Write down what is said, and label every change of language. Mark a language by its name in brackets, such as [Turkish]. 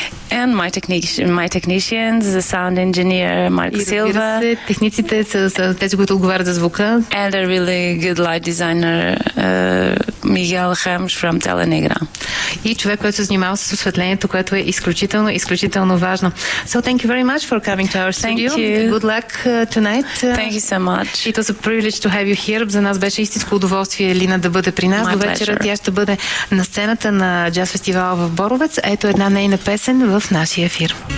[English] And my technicians, the sound engineer Mark Silva. [Bulgarian] И техниците са тези, които отговарят за звука. [English] And a really good light designer Miguel Ramos from Telenegra. [Bulgarian] И човек, който се занимава с осветлението, което е изключително, изключително важно. [English] So thank you very much for coming to our studio. Thank you. Good luck tonight. Thank you so much. It was a privilege to have you here. [Bulgarian] За нас беше истинско удоволствие Лина да бъде при нас. [English] My [Bulgarian] до вечера тя ще бъде на сцената на джаз фестивала в Боровец. Ето една нейна песен в нашия ефир.